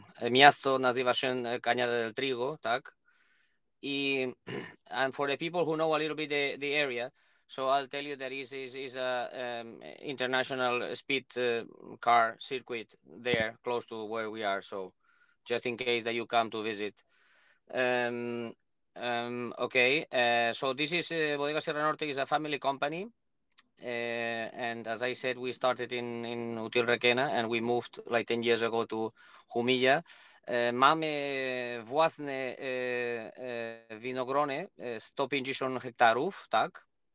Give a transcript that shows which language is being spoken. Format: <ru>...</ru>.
<pl>Miasto nazywa się Cañada del Trigo, tak?</pl> <en>And for the people who know a little bit the area, so I'll tell you that is a international speed car circuit there, close to where we are. So just in case that you come to visit. So this is Bodega Sierra Norte is a family company. And as I said, we started in Util Requena and we moved like 10 years ago to Humilla.</en> <pl>Mamy własne winogrony, 150 hektarów, tak?</pl>